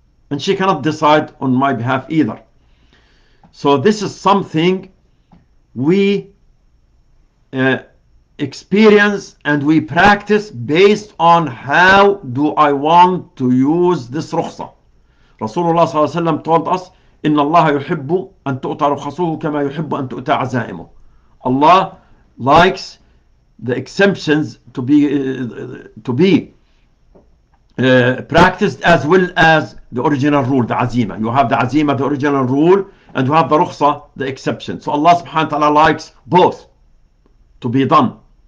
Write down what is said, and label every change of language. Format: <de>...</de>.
<en>And she cannot decide on my behalf either. So this is something we experience and we practice based on how do I want to use this rukhsa.</en> <ar>Rasulullah صلى الله عليه وسلم</ar> <en>told us,</en> <ar>إن الله يحب أن تؤتى رخصه كما يحب أن تؤتى عزائمه.</ar> <en>Allah likes the exemptions to be practiced as well as the original rule, the azima. You have the azima, the original rule, and you have the rukhsa, the exception. So Allah subhanahu wa ta'ala likes both to be done.</en>